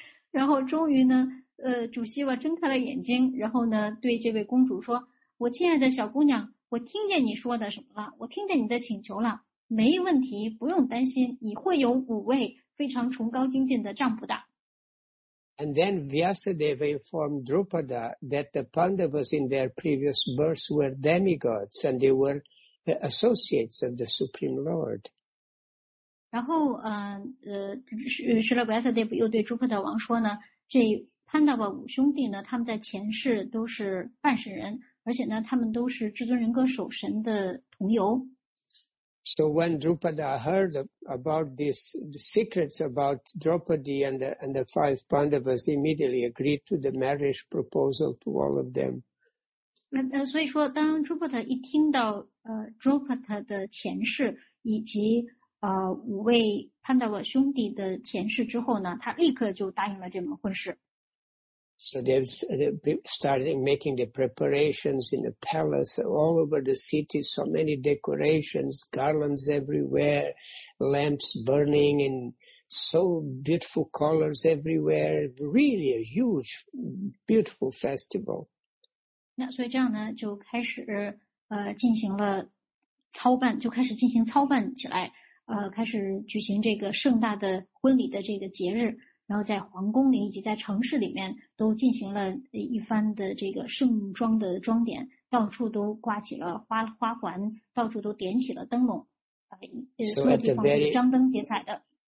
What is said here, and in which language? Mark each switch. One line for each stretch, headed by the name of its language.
Chinese: 然后终于呢，主希瓦睁开了眼睛，然后呢，对这位公主说：“我亲爱的小姑娘。” 我听见你说的什么了，我听见你的请求了，没问题，不用担心，你会有五位非常崇高精进的丈夫的。
English: And then Vyasadeva informed Drupada that the Pandavas in their previous births were demigods and they were the associates of the Supreme Lord.
Chinese: 然后舍勒 Vyasadeva 又对 Drupada 王说呢，这 Pandava 五兄弟呢，他们在前世都是半神人。而且呢，他们都是至尊人格守神的同游。
English: So when Drupada heard about this, the secrets about Draupadi and the five Pandavas, immediately agreed to the marriage proposal to all of them.
Chinese: 所以说，当 Drupada 一听到Draupada 的前世以及五位 Pandava 兄弟的前世之后呢，他立刻就答应了这门婚事。
English: So they started making the preparations in the palace, all over the city, so many decorations, garlands everywhere, lamps burning in so beautiful colors everywhere, really a huge, beautiful festival.
Chinese: 那所以这样呢就开始进行了操办，就开始进行操办起来，开始举行这个盛大的婚礼的这个节日，然后在皇宫里以及在城市里面都进行了一番的这个盛装的装点，到处都挂起了花环，到处都点起了灯笼，所有地方是张灯结彩的。